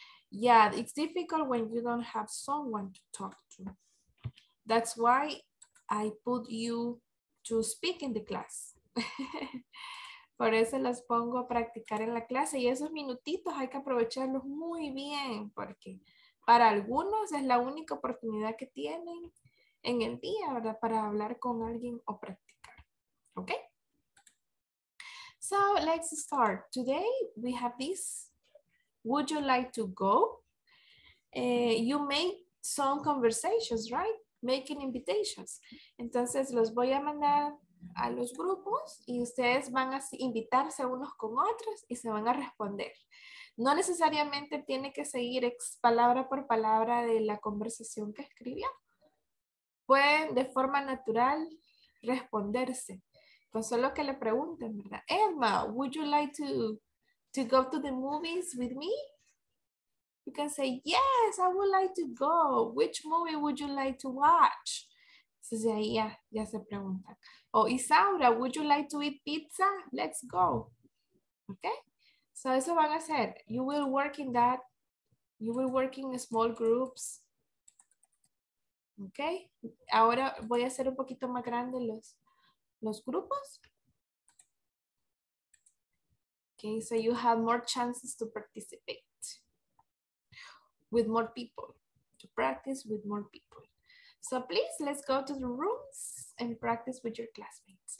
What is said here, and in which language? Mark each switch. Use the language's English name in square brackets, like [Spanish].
[English] Yeah, it's difficult when you don't have someone to talk to. That's why I put you to speak in the class. [Spanish] Por eso las pongo a practicar en la clase y esos minutitos hay que aprovecharlos muy bien porque para algunos es la única oportunidad que tienen en el día, ¿verdad? Para hablar con alguien o practicar. [English] Okay? So let's start. Today we have this. Would you like to go? You make some conversations, right? Making invitations. [Spanish] Entonces los voy a mandar a los grupos y ustedes van a invitarse unos con otros y se van a responder. No necesariamente tiene que seguir palabra por palabra de la conversación que escribió. Pueden de forma natural responderse con solo que le pregunten, ¿verdad? [English] Emma, would you like to go to the movies with me? You can say, yes, I would like to go. Which movie would you like to watch? [Spanish] Entonces ahí ya se pregunta. [English] Oh, Isaura, would you like to eat pizza? Let's go. Okay? So [Spanish] eso van a hacer. [English] You will work in that. You will work in small groups. Okay? [Spanish] Ahora voy a hacer un poquito más grande los grupos. [English] Okay, so you have more chances to participate. With more people, to practice with more people. So please, let's go to the rooms and practice with your classmates.